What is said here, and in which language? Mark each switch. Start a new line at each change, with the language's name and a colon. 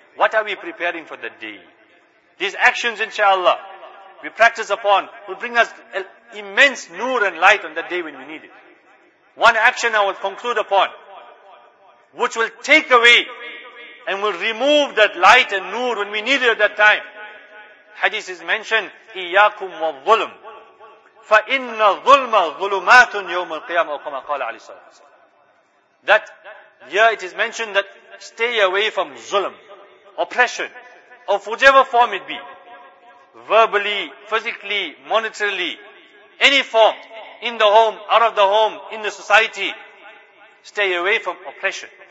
English: What are we preparing for that day? These actions, inshallah, we practice upon, will bring us immense nur and light on that day when we need it. One action I will conclude upon, which will take away and will remove that light and nur when we need it at that time. Hadith is mentioned,
Arabic: إِيَّاكُمْ وَالظُّلُمْ فَإِنَّ الظُّلْمَ ظُلُمَاتٌ يَوْمَ الْقِيَامَةُ وَكَمَا قَالَ عَلَيْهِ الصَّلَاةُ وَالسَّلَامُ.
English: That year it is mentioned that stay away from zulm, oppression, of whichever form it be, verbally, physically, monetarily, any form, in the home, out of the home, in the society, stay away from oppression.